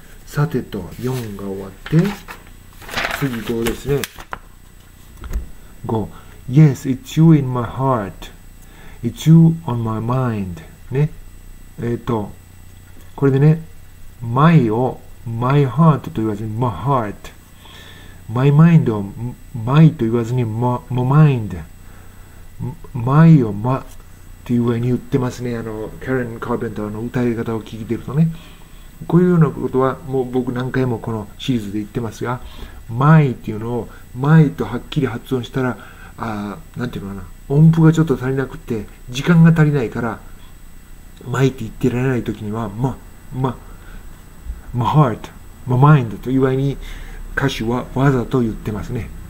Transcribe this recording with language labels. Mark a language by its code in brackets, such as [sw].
[ja] さてと、4が終わって、次5ですね。 [en] 5。 Yes, it's you in my heart. It's you on my mind. [ja] ね。これでね、my を my heart と言わずに my heart。 my mind を my と言わずに my mind。 my を ma っていう上に言ってますね。カレン・カーペンターの歌い方を聞いてるとね。こういうようなことは、もう僕何回もこのシリーズで言ってますが、my っていうのを my とはっきり発音したら、なんていうのかな、音符がちょっと足りなくて、時間が足りないから、my って言ってられないときには、my heart、my mind という上に歌手はわざと言ってますね。